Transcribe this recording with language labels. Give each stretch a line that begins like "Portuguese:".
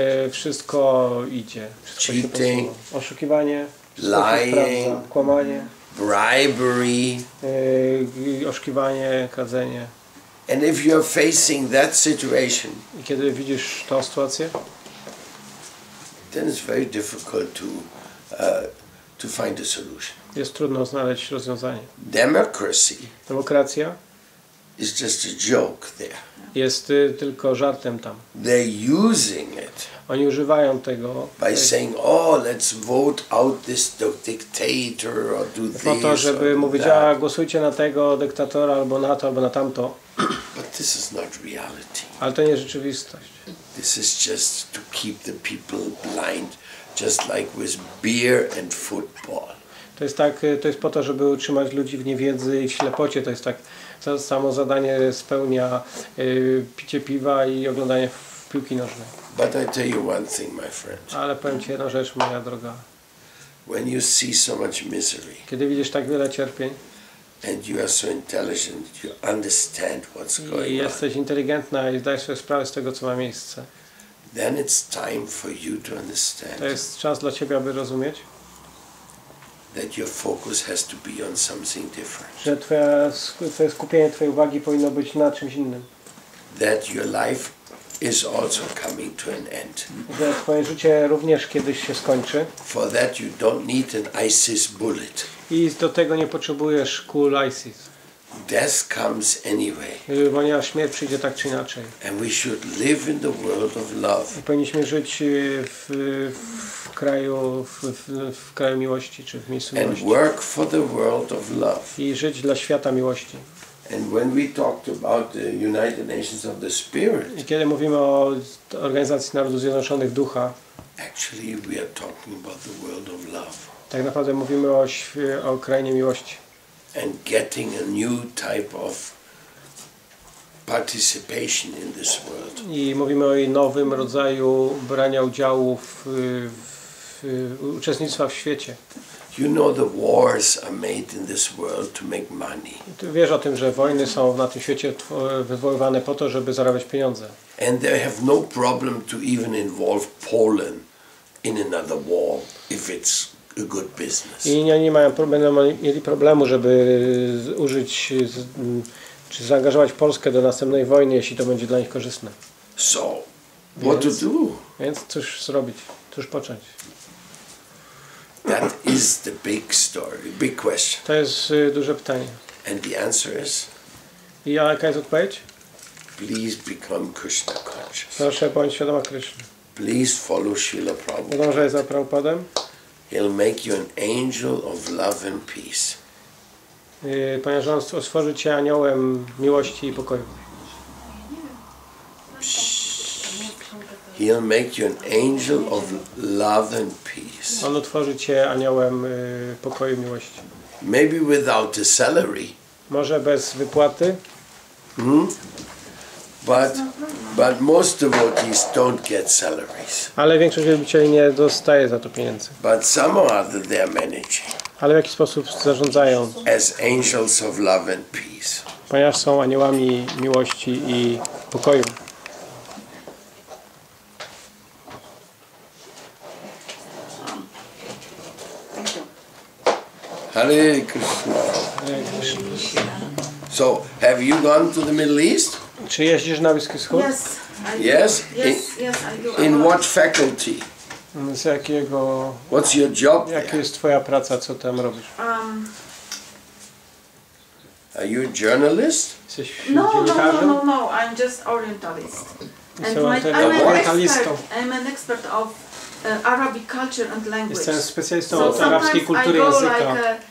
Polish: Wszystko idzie. Wszystko
English: cheating,
Polish: oszukiwanie,
English: lying,
Polish: kłamanie,
English: bribery,
Polish: oszukiwanie, kradzenie.
English: And if you're facing that situation,
Polish: i kiedy widzisz tą sytuację,
English: then it's very difficult to find a solution.
Polish: Jest trudno znaleźć rozwiązanie.
English: Democracy.
Polish: Demokracja.
English: Is just a joke there.
Polish: Jest tylko żartem tam.
English: They're using it.
Polish: Oni używają tego.
English: By saying, oh, let's vote out this dictator or do this.
Polish: Po to, żeby mówić, a głosujcie na tego dyktatora albo na to albo na tamto.
English: But this is not reality.
Polish: Ale to nie rzeczywistość.
English: This is just to keep the people blind, just like with beer and football.
Polish: To jest tak, to jest po to, żeby utrzymać ludzi w niewiedzy i w ślepocie. To jest tak, to samo zadanie spełnia picie piwa i oglądanie piłki nożnej.
English: But I tell you one thing, my friend.
Polish: Ale powiem ci jedną rzecz, moja droga.
English: When you see so much misery.
Polish: Kiedy widzisz tak wiele cierpień.
English: And you are so intelligent, you understand what's going on.
Polish: I jesteś inteligentna i zdajesz sobie sprawę z tego, co ma miejsce.
English: Then it's time for you to understand.
Polish: To jest czas dla ciebie, aby rozumieć.
English: That your focus has to be on something different.
Polish: Że twoje skupienie twojej uwagi powinno być na czymś innym.
English: That your life is also coming to an end.
Polish: Że twoje życie również kiedyś się skończy.
English: For that you don't need an ISIS bullet.
Polish: I do tego nie potrzebujesz kul ISIS.
English: Death comes anyway.
Polish: Ponieważ śmierć przyjdzie tak czy inaczej.
English: And we should live in the world of love.
Polish: I powinniśmy żyć w kraju miłości czy w miejscu
English: and
Polish: miłości.
English: Work for the world of love.
Polish: I żyć dla świata miłości.
English: And when we talked about the United Nations of the Spirit.
Polish: I kiedy mówimy o Organizacji Narodów Zjednoczonych Ducha.
English: Actually we are talking about the world of love.
Polish: Tak naprawdę mówimy o krainie miłości.
English: And getting a new type of participation in this world.
Polish: I mówimy o nowym rodzaju brania udziału w uczestnictwa w świecie.
English: You know the wars are made in this world to make money.
Polish: Ty wiesz o tym, że wojny są na tym świecie wywoływane po to, żeby zarabiać pieniądze.
English: And they have no problem to even involve Poland in another war if it's a good business.
Polish: I nie mają problemu, mieli problemu, żeby użyć czy zaangażować Polskę do następnej wojny, jeśli to będzie dla nich korzystne.
English: So, what to do?
Polish: Więc cóż zrobić? Cóż począć?
English: That is the big story, big question.
Polish: To jest duże pytanie.
English: And the answer is.
Polish: I jaka jest odpowiedź?
English: Please become Krishna conscious.
Polish: Proszę bądź świadoma Krishna.
English: Please follow Śrīla Prabhupāda.
Polish: Podążaj za Prabhupādem.
English: He'll make you an angel of love and peace.
Polish: Ponieważ on stworzy cię aniołem miłości i pokoju.
English: He'll make you an angel of love and peace.
Polish: On utworzy cię aniołem pokoju i miłości.
English: Maybe without a salary.
Polish: Może bez wypłaty. Hmm?
English: But most devotees don't get salaries.
Polish: Ale większość wierzycieli nie dostaje za to pieniędzy.
English: But somehow other they are managing.
Polish: Ale w jaki sposób zarządzają?
English: As angels of love and peace.
Polish: Ponieważ są aniołami miłości i pokoju.
Sanskrit: Hare Krishna.
English: So, have you gone to the Middle East?
Polish: Czy jeździsz na Bliski Wschód?
English: Yes. Yes. Yes, I do. In what faculty?
Polish: Z jakiego?
English: What's your job?
Polish: Jaka jest twoja praca, co tam robisz?
English: Are you a journalist? No. I'm just orientalist. And so I'm an expert of Arabic culture and language.
Polish: Jestem specjalistą od arabskiej kultury języka.